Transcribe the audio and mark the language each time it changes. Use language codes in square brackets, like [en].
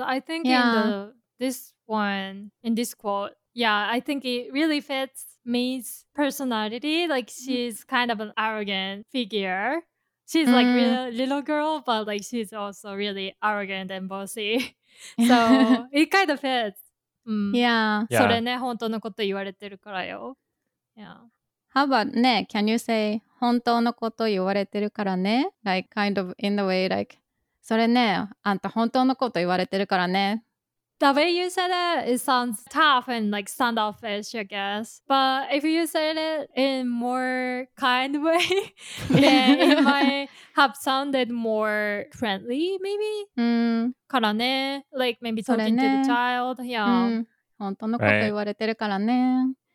[en] I think in this quote, yeah, I think it really fits Mei's personality. Like, she's kind of an arrogant figure. She's like a little girl, but like, she's also really arrogant and bossy. So, it kind of fits. Yeah. [ja] それね、本当のこと言われてるからよ。 [en] Yeah. How about ne? Can you say [ja] 本当のこと言われてるからね? [en] Like kind of in the way like [ja] それね、あんた本当のこと言われてるからね。 [en] The way you said it sounds tough and like standoffish, I guess. But if you said it in more kind way, then it might have sounded more friendly, maybe. [ja] からね。 [en] Like maybe talking to the child. Yeah. [ja] 本当のこと言われてるからね。